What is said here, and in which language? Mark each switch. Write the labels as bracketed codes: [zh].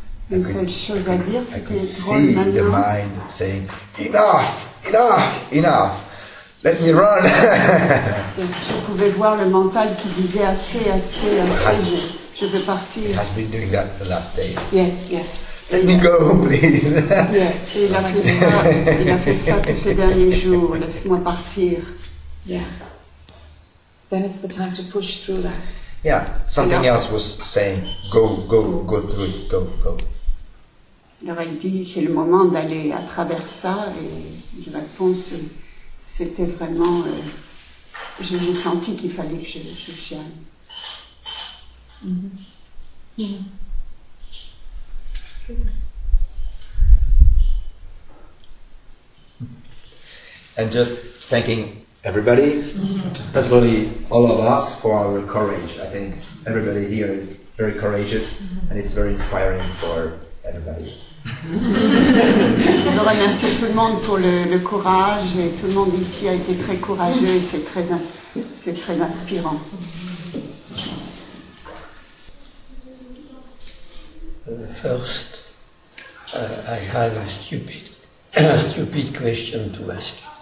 [fr] Une seule chose à dire, c'était drôle maintenant. [en] I could see the mind saying, enough, enough, enough. Let me run. [fr] Je pouvais voir le mental qui disait assez, assez, assez. Je veux partir. [en] He has been doing that the last day. Yes, yes. Let me go, please. Yes, [fr] il a fait ça tous ces derniers jours. Laisse-moi partir. [en] Yeah. Then it's the time to push through that. Yeah, something else was saying, go through it, go. [fr] Alors il dit, c'est le moment d'aller à travers ça, et je réponse, c'était vraiment, j'ai senti qu'il fallait que je chienne. [en] And just thanking everybody, especially all of us, for our courage. I think everybody here is very courageous, and it's very inspiring for everybody. [fr] Je remercie tout le monde pour le courage, et tout le monde ici a été très courageux. C'est très inspirant. [en] First, I have a stupid question to ask.